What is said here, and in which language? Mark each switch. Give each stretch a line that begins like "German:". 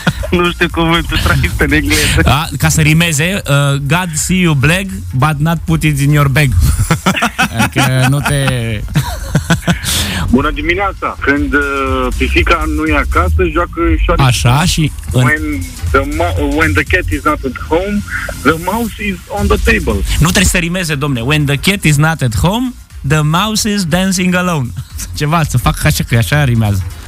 Romanian: Nu știu cuvântul traistă în engleză. Ca să rimeze,
English: God see you black, but not put it in your bag.
Romanian: Adică nu te... Bună dimineața! Când pisica nu e acasă, joacă șoarici. Așa, și...
English: When the cat is not at home, the mouse is on the table.
Romanian: Nu trebuie să rimeze, domne.
English: When the cat is not at home, the mouse is dancing alone.
Romanian: Ceva, să fac așa, că așa rimează.